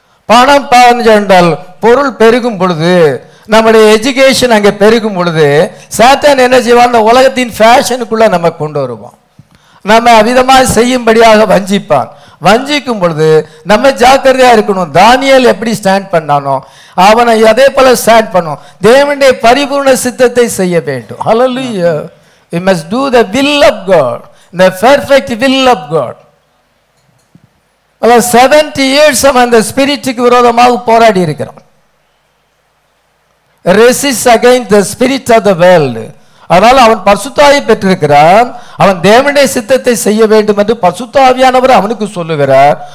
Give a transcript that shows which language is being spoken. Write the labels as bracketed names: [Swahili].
[Tamil] பணம் பாஞ்சால் பொருள் பெருகும் பொழுது நம்முடைய எஜுகேஷன் அங்கே பெருகும் பொழுது சாத்தான் என்ன செய்வான்? அந்த உலகத்தின் ஃபேஷனுக்குள்ள நம்ம கொண்டு வருவான். நம்ம அவிதமாக செய்யும்படியாக வஞ்சிப்பான். வஞ்சிக்கும் பொழுது நம்ம ஜாக்கிரதையா இருக்கணும். தானியேல் எப்படி ஸ்டாண்ட் பண்ணானோ அவனை அதே போல ஸ்டாண்ட் பண்ணும். தேவனுடைய பரிபூர்ண சித்தத்தை செய்ய வேண்டும். ஹல்லேலூயா. [English] We must do the will of God, the perfect will of God. [Tamil] 70 years அவன் அந்த ஸ்பிரிட்டுக்கு விரோதமாக போராடி இருக்கிறான். Resist against the spirit of the world. அதனால அவன் பரிசுத்தாவி பெற்றிருக்கிறான். அவன் தேவனுடைய சித்தத்தை செய்ய வேண்டும் என்று பரிசுத்தாவியானவர் அவனுக்கு சொல்லுகிறார்.